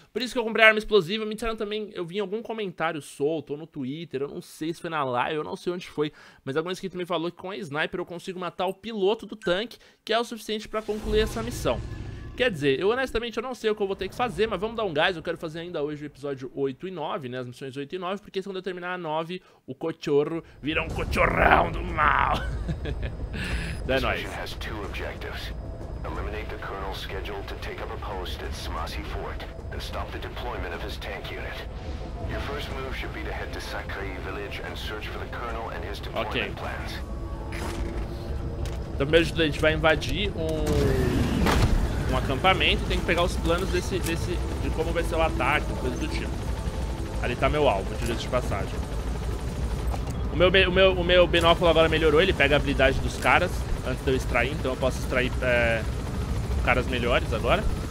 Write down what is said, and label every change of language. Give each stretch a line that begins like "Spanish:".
Portuguese: Por isso que eu comprei arma explosiva. Me disseram também, eu vi em algum comentário solto ou no Twitter, eu não sei se foi na live, eu não sei onde foi, mas algum inscrito me falou que com a sniper eu consigo matar o piloto do tanque, que é o suficiente pra concluir essa missão. Quer dizer, eu honestamente eu não sei o que eu vou ter que fazer, mas vamos dar um gás. Eu quero fazer ainda hoje o episódio 8 e 9, né, as missões 8 e 9, porque se quando eu terminar a 9, o cachorro vira um cachorrão do mal. É nóis. Essa missão tem dois objetivos.
English: Eliminar o colonel scheduled to take up a post at Smossy Fort and stop the deployment of his tank unit. Your first move should be to head to Sacré Village and search for the colonel and his deployment plans.
Portuguese: Então, primeiro de tudo, a gente vai invadir um acampamento, tem que pegar os planos desse de como vai ser o ataque, coisa do tipo. Ali tá meu alvo, direito de passagem. O meu binóculo agora melhorou, ele pega a habilidade dos caras antes de eu extrair, então eu posso extrair caras melhores agora.